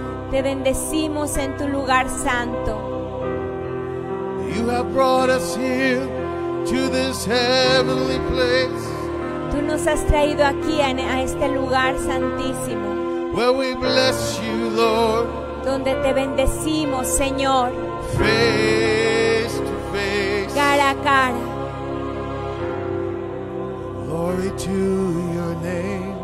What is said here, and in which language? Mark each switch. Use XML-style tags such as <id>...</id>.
<es>Te bendecimos en tu lugar santo.</es> <en>You have brought us here to this heavenly place.</en> <es>Tú nos has traído aquí a este lugar santísimo.</es> <en>Where we bless you, Lord.</en> <es>Donde te bendecimos, Señor.</es> <en>Face to face.</en> <es>Cara a cara.</es> <en>Glory to your name.</en>